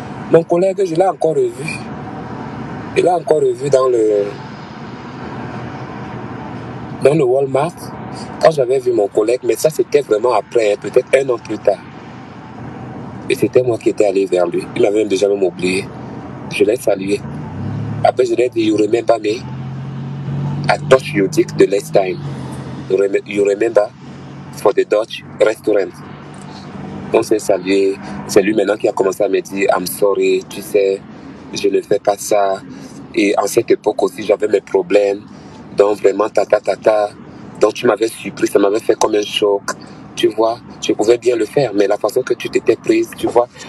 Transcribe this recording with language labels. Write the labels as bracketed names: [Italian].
[French] Mon collègue, je l'ai encore revu. Il l'a encore revu dans le Walmart, quand j'avais vu mon collègue, mais ça c'était vraiment après, hein, peut-être un an plus tard. Et c'était moi qui étais allé vers lui. Il avait déjà même oublié. Je l'ai salué. Après, je lui ai dit, [English] you remember me? A Dutch Yodik the last time. You remember for the Dutch restaurant. [French] On s'est salué. C'est lui maintenant qui a commencé à me dire, [English] I'm sorry, [French] tu sais, je ne fais pas ça. Et en cette époque aussi, j'avais mes problèmes. Donc vraiment, ta. Donc tu m'avais surpris, ça m'avait fait comme un choc. Tu vois, je pouvais bien le faire, mais la façon que tu t'étais prise, tu vois.